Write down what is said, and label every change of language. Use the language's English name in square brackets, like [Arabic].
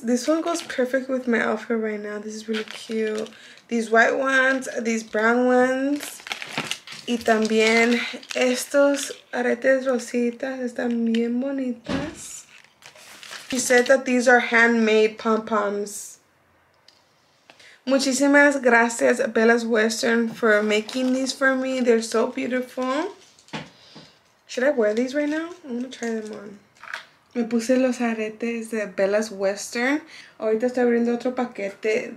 [English] This one goes perfect with my outfit right now. This is really cute. These white ones, these brown ones. [Spanish] Y también estos aretes rositas están bien bonitas. [English] She said that these are handmade pom-poms. [Spanish] Muchísimas gracias, Bella's Western, for making these for me. [English] They're so beautiful. Should I wear these right now? I'm gonna try them on. [Spanish] Me puse los aretes de Bella's Western. Ahorita estoy abriendo otro paquete.